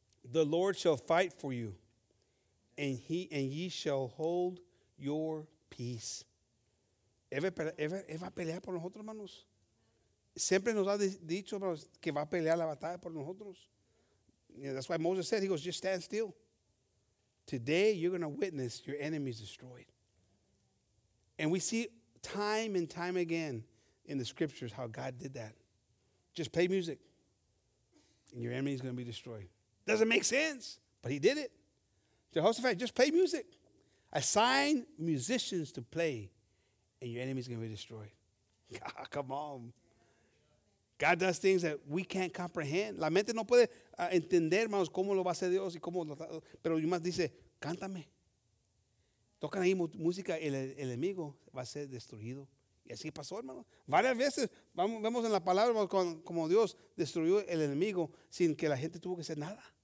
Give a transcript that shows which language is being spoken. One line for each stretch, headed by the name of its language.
English: The Lord shall fight for you, and ye shall hold your peace.
Spanish: Él va a pelear por nosotros, hermanos. Siempre nos ha dicho, hermanos, que va a pelear la batalla por nosotros.
English: That's why Moses said, he goes, just stand still. Today, you're going to witness your enemies destroyed. And we see time and time again in the scriptures how God did that. Just play music, and your enemy is going to be destroyed. Doesn't make sense, but he did it. Jehoshaphat, just play music. Assign musicians to play, and your enemy is going to be destroyed. God, come on. God does things that we can't comprehend.
Spanish: La mente no puede entender, hermanos, cómo lo va a hacer Dios y cómo lo está. Pero Dios dice, cántame. Tocan ahí música, el enemigo va a ser destruido. Y así pasó, hermanos. Varias veces vemos en la palabra, hermanos, como Dios destruyó el enemigo sin que la gente tuvo que hacer nada.